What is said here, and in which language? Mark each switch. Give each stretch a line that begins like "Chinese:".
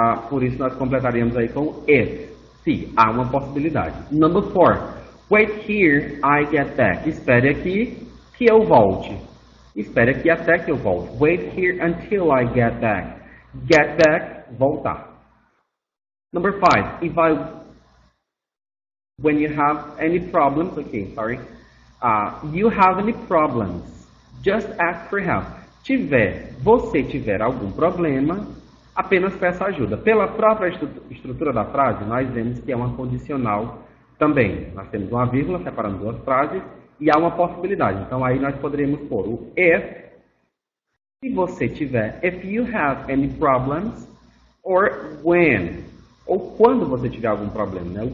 Portuguese: Por isso, nós completaríamos aí com if, se há uma possibilidade.
English: Number four, wait here, I get back.
Portuguese: Espere aqui que eu volte. Espere aqui até que eu volte.
English: Wait here until I get back. get back, voltar. Number five, if I, when you have any problems, okay, sorry, you have any problems, just ask for help.
Portuguese: Tiver, você tiver algum problema, apenas peça ajuda. Pela própria estrutura da frase, nós vemos que é uma condicional também. Nós temos uma vírgula separando duas frases e há uma possibilidade. Então, aí nós poderíamos pôr o if, se você tiver,
English: if you have any problems, or when,
Portuguese: ou quando você tiver algum problema, né?